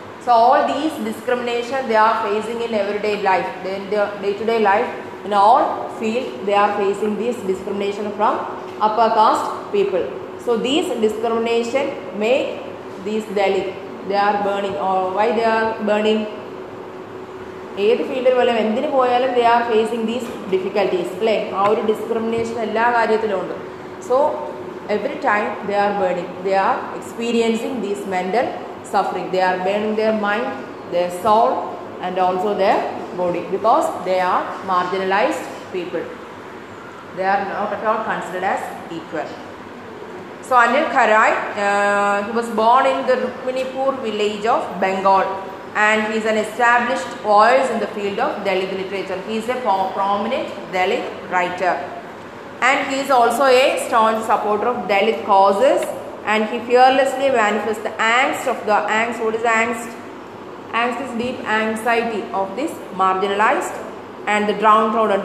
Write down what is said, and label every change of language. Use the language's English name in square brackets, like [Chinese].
[English] So all these discrimination they are facing in everyday life, in their day-to-day life, in all field they are facing this discrimination from upper caste people. So these discrimination make these Dalit, they are burning. Or why they are burning? [Malayalam] ഏത് ഫീൽഡിൽ പോലും എന്തിന് പോയാലും [English] they are facing these difficulties [Malayalam] അല്ലേ. ആ ഒരു discrimination എല്ലാ കാര്യത്തിലും ഉണ്ട്. [English] So every time they are burning, they are experiencing these mental suffering, they are burning their mind, their soul and also their body, because they are marginalised people, they are not at all considered as equal. So Anil Kharai, he was born in the Rukminipur village of Bengal. And he is an established voice in the field of Dalit literature. He is a prominent Dalit writer. And he is also a staunch supporter of Dalit causes. And he fearlessly manifests the angst of the angst. What is angst? Angst is deep anxiety of this marginalized and the downtrodden.